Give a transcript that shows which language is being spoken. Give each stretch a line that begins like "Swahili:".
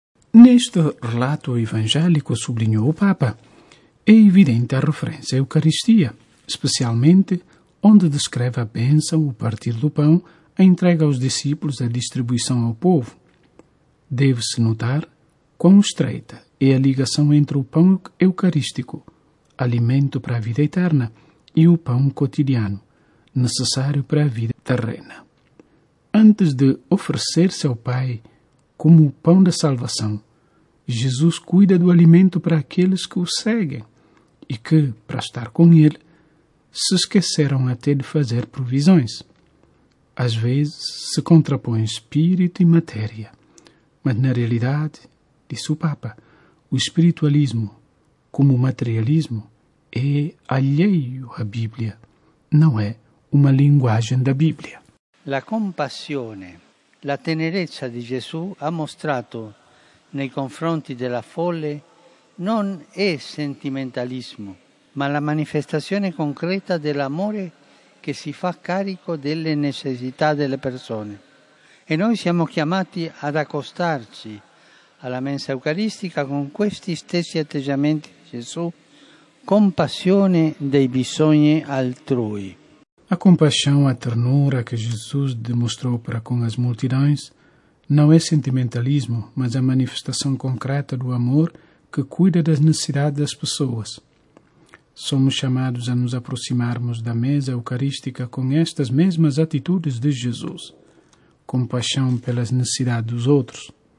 Portuguese: Neste relato evangélico, sublinhou o Papa, è evidente a referência à Eucaristia, especialmente onde descreve a bênção, o partir do pão, a entrega aos discípulos, a distribuição ao povo. Deve-se notar quão estreita é a ligação entre o pão eucarístico, alimento para a vida eterna, e o pão cotidiano, necessário para a vida terrena. Antes de oferecer-se ao Pai como o pão da salvação, Jesus cuida do alimento para aqueles que o seguem e que, para estar com Ele, se esqueceram até de fazer provisões. Às vezes se contrapõe espírito e matéria, mas na realidade, disse o Papa, o espiritualismo, como o materialismo, é alheio à Bíblia, não é uma linguagem da Bíblia.
Italian: La compassione, la tenerezza di Gesù ha mostrato nei confronti della folle non è sentimentalismo, ma la manifestazione concreta dell'amore che si fa carico delle necessità delle persone. E noi siamo chiamati ad accostarci alla mensa eucaristica con questi stessi atteggiamenti di Gesù, compassione dei bisogni altrui.
Portuguese: A compaixão, a ternura que Jesus demonstrou para com as multidões não é sentimentalismo, mas a manifestação concreta do amor que cuida das necessidades das pessoas. Somos chamados a nos aproximarmos da mesa eucarística com estas mesmas atitudes de Jesus, compaixão pelas necessidades dos outros.